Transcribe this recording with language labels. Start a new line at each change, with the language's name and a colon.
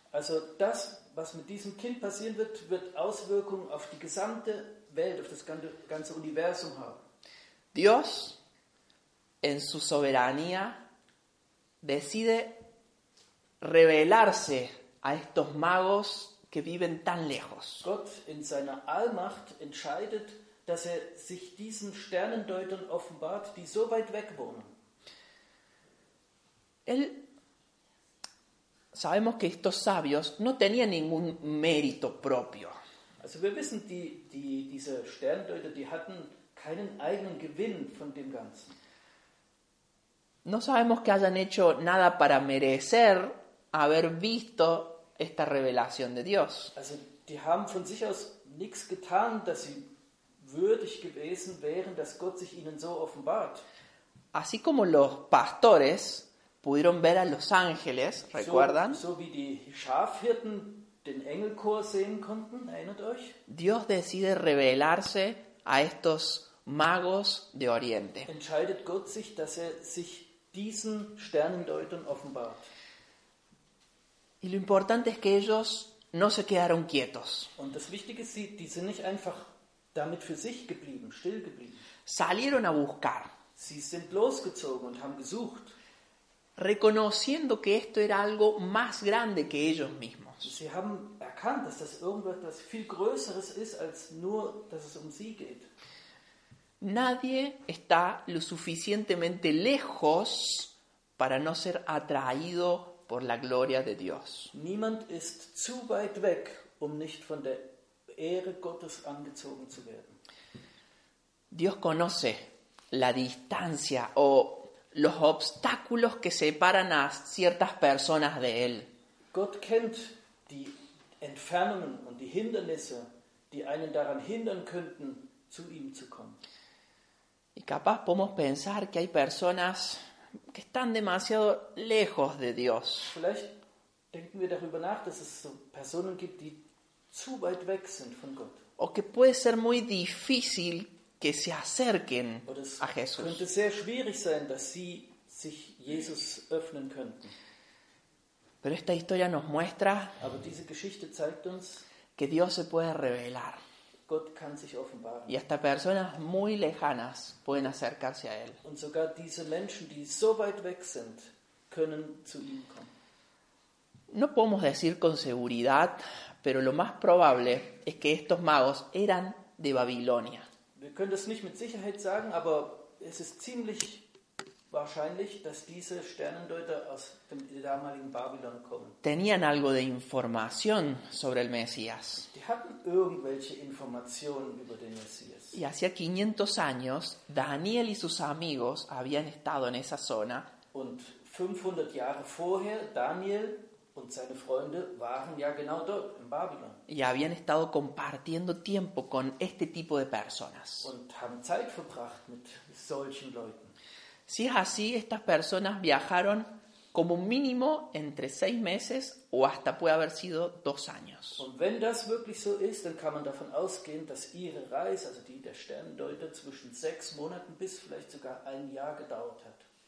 German: Also das, was mit diesem Kind passieren wird, wird Auswirkungen auf die gesamte Welt, auf das ganze Universum haben.
Spanish: Dios, en su soberanía, decide revelarse a estos magos que viven tan lejos.
German: Gott in seiner Allmacht entscheidet, dass er sich diesen Sternendeutern offenbart, die so weit weg wohnen.
Spanish: Él, sabemos que estos sabios no tenían ningún mérito propio.
German: Also wir wissen, diese Sterndeuter, die hatten keinen eigenen Gewinn von dem Ganzen.
Spanish: No sabemos que hayan hecho nada para merecer haber visto esta revelación de Dios.
German: Also die haben von sich aus nichts getan, dass sie würdig gewesen wären, dass Gott sich ihnen so offenbart.
Spanish: Así como los pastores pudieron ver a los ángeles, ¿recuerdan?
German: So wie die Schafhirten den Engelchor sehen konnten, erinnert euch?
Spanish: Dios decide revelarse a estos magos de Oriente.
German: Entscheidet Gott sich, dass er sich diesen Sternendeutern offenbart.
Spanish: Y lo importante es que ellos no se quedaron quietos.
German: Und das Wichtige ist, die sind nicht einfach damit für sich geblieben, still geblieben.
Spanish: Salieron a buscar.
German: Sie sind losgezogen und haben gesucht.
Spanish: Reconociendo que esto era algo más grande que ellos mismos.
German: Sie haben erkannt, dass das irgendwas viel Größeres ist, als nur, dass es um sie geht.
Spanish: Nadie está lo suficientemente lejos para no ser atraído por la gloria de Dios.
German: Niemand ist zu weit weg, um nicht von der Ehre Gottes angezogen zu werden.
Spanish: Dios conoce la distancia o los obstáculos que separan a ciertas personas de él.
German: Gott kennt die Entfernungen und die Hindernisse, die einen daran hindern könnten, zu ihm zu kommen.
Spanish: Y capaz podemos pensar que hay personas que están demasiado lejos de Dios.
German: Vielleicht denken wir darüber nach, dass es so Personen gibt, die zu weit weg sind von Gott.
Spanish: O que puede ser muy difícil que se acerquen a Jesús.
German: Könnte sehr schwierig sein, dass sie sich Jesus öffnen könnten.
Spanish: Pero esta historia nos muestra,
German: aber diese Geschichte zeigt uns,
Spanish: que Dios se puede revelar.
German: Gott kann sich offenbaren.
Spanish: Y hasta personas muy lejanas pueden acercarse a él.
German: Und sogar diese Menschen, die so weit weg sind, können zu ihm kommen.
Spanish: No podemos decir con seguridad, pero lo más probable es que estos magos eran de Babilonia.
German: Wir können das nicht mit Sicherheit sagen, aber es ist ziemlich wahrscheinlich, dass diese Sternendeuter aus dem damaligen Babylon kommen.
Spanish: Tenían algo de información sobre el Mesías.
German: Die hatten irgendwelche Informationen über den Messias.
Spanish: Y hacía 500 años, Daniel y sus amigos habían estado en esa zona.
German: Und 500 Jahre vorher, Daniel und seine Freunde waren ja genau dort, in Babylon.
Spanish: Y habían estado compartiendo tiempo con este tipo de personas.
German: Und haben Zeit verbracht mit solchen Leuten.
Spanish: Si es así, estas personas viajaron como mínimo entre 6 meses o hasta puede haber sido 2 años.
German: Und wenn das wirklich so ist, dann kann man davon ausgehen, dass ihre Reise, also die der Sterndeuter, zwischen 6 Monaten bis vielleicht sogar ein Jahr gedauert hat.